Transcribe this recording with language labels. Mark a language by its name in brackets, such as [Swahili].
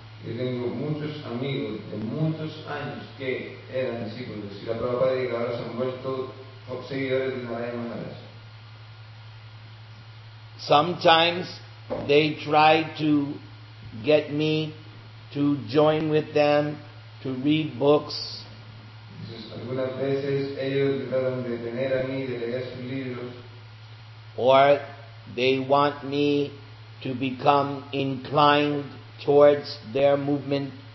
[Spanish] Yo tengo muchos amigos de muchos años que eran discípulos de Srila Prabhupada y ahora se han vuelto seguidores de Narayana Maharaj. [English] Sometimes they try to get me to join with them to read books. [Spanish] Algunas veces ellos trataron de tener a mí de leer sus libros. [English] Or they want me to become inclined towards their movement.